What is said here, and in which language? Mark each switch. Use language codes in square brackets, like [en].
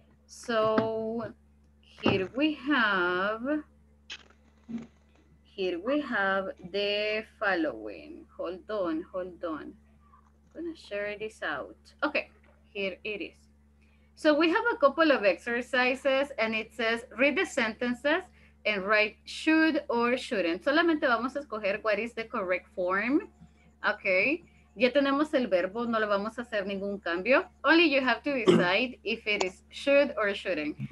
[en] So here we have the following. Hold on. I'm gonna share this out. Okay, here it is. So we have a couple of exercises and it says read the sentences and write should or shouldn't. [es] Solamente vamos a escoger [en] what is the correct form. Okay. [es] Ya tenemos el verbo, no lo vamos a hacer ningún cambio. [en] Only you have to decide if it is should or shouldn't.